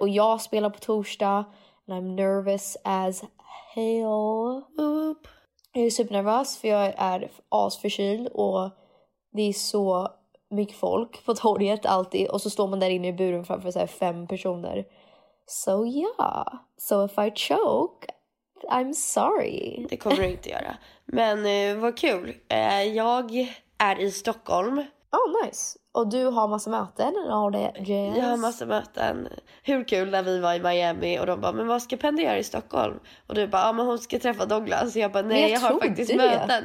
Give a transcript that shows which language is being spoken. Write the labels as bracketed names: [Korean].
[Swedish] Och jag spelar på torsdag. [English] And I'm nervous as hell. Oop. [Swedish] Jag är supernervös för jag är asförkyld. Och det är så mycket folk på torget alltid. Och så står man där inne i buren framför så här fem personer. [English] So yeah, so if I choke, I'm sorry. [Swedish] Det kommer du inte göra. Men vad kul. Jag är i Stockholm. [English] Oh, nice. [Swedish] Och du har massa möten. Har det, yes. Jag har massa möten. Hur kul när vi var i Miami. Och de bara, men vad ska Pendy göra i Stockholm? Och du bara, ah, men hon ska träffa Douglas. Och jag bara, nej jag har faktiskt det. Möten.